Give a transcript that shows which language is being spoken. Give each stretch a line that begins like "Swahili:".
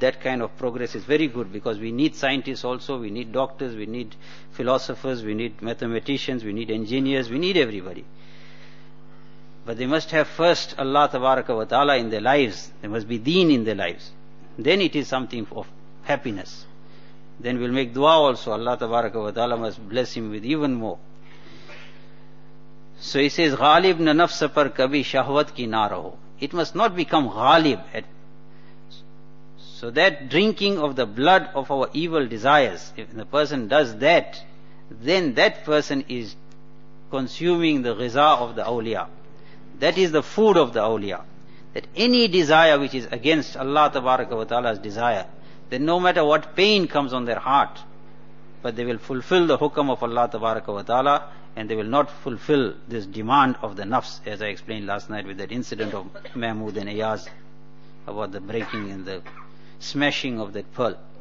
English: That kind of progress is very good, because we need scientists also, we need doctors, we need philosophers, we need mathematicians, we need engineers, we need everybody. But they must have first Allah tabaraka wa ta'ala in their lives. There must be deen in their lives. Then it is something of happiness. Then we'll make dua also. Allah tabaraka wa ta'ala must bless him with even more. So he says,
Urdu: غالب نہ نفس پر کبھی شہوت کی نہ رہو.
English: It must not become غالب. So that drinking of the blood of our evil desires, if the person does that, then that person is consuming the ghiza of the awliya. That is the food of the awliya. That any desire which is against Allah tabaraka wa ta'ala's desire, then no matter what pain comes on their heart, but they will fulfill the hukam of Allah tabaraka wa ta'ala, and they will not fulfill this demand of the nafs, as I explained last night with that incident of Mahmud and Ayaz about the breaking and the smashing of that pearl.